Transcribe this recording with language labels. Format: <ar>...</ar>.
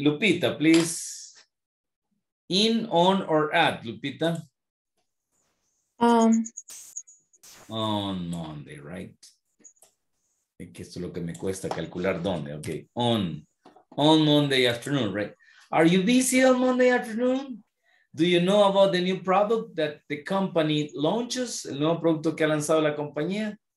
<en>Lupita, please. In, on, or at, Lupita? On Monday, right?</en> <es>Esto es lo que me cuesta calcular dónde, okay.</es> <en>On Monday afternoon, right? Are you busy on Monday afternoon? Do you know about the new product that the company launches?</en> <es>El nuevo producto que ha lanzado la compañía?</es>